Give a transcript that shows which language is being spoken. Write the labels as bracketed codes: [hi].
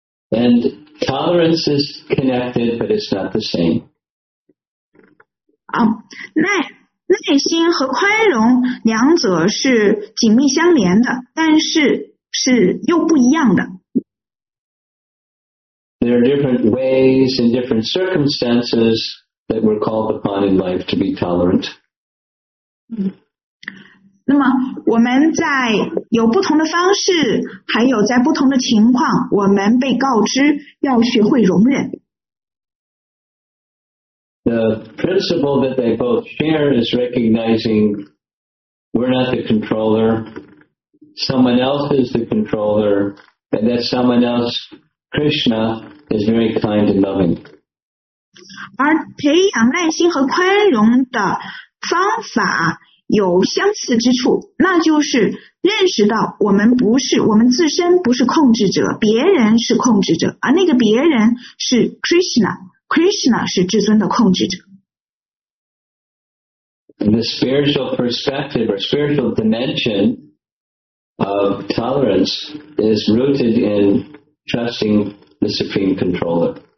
[en] And tolerance is connected, but it's not the same. [zh] 耐心和宽容两者是紧密相连的，但是是又不一样的。 [en] There are different ways and different circumstances that we're called upon in life to be tolerant. [zh] 那么我们在有不同的方式，还有在不同的情况，我们被告知要学会容忍。 [en] The principle that they both share is recognizing we're not the controller, someone else is the controller, and that someone else, Krishna, is very kind and loving. [zh] 而培养耐心和宽容的方法有相似之处，那就是认识到我们自身不是控制者，别人是控制者，而那个别人是 Krishna 是至尊的控制者。 [en] In the spiritual perspective or spiritual dimension of tolerance is rooted in trusting the supreme controller.